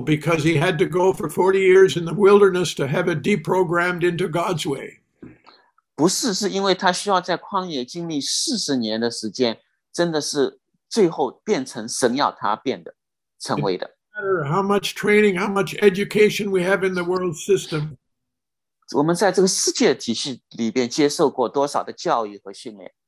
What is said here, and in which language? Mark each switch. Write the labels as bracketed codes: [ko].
[en] because he had to go for 40 years in the wilderness to have it deprogrammed into God's way. [zh] 不是，是因为他需要在旷野经历40年的时间，真的是最后变成神要他变的，成为的。 [en] No matter how much training, how much education we have in the world system. [zh] 我们在这个世界体系里边接受过多少的教育和训练？